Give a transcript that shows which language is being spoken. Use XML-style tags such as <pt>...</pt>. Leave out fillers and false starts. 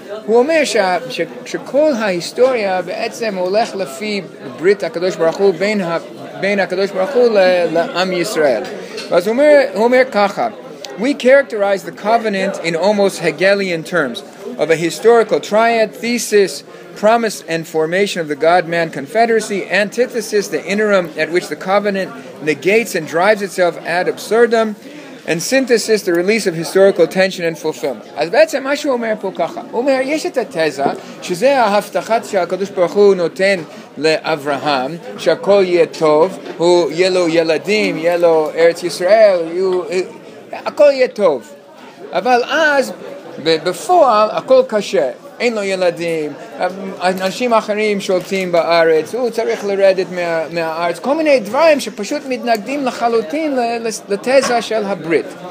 <he>הוא אומר שכל ההיסטוריה בעצם הולך לפי ברית הקדוש ברוך הוא בין הקדוש ברוך הוא לעם ישראל. אז הוא אומר ככה:</he> <en>we characterize the covenant in almost Hegelian terms of a historical triad, thesis, promise and formation of the God-man confederacy, antithesis, the interim at which the covenant negates and drives itself ad absurdum, and synthesis, the release of historical tension and fulfillment.</en> <he>אז בעצם מה שהוא אומר פה ככה, הוא אומר, יש את התזה, שזה ההבטחה שהקדוש ברוך הוא נותן לאברהם, שהכל יהיה טוב, הוא יהיה לו ילדים, יהיה לו ארץ ישראל, הכל יהיה טוב. אבל אז, בפועל, הכל קשה, אין לו ילדים, אנשים אחרים שולטים בארץ, הוא צריך לרדת מהארץ, כל מיני דברים שפשוט מתנגדים לחלוטין לתזה של הברית.</he>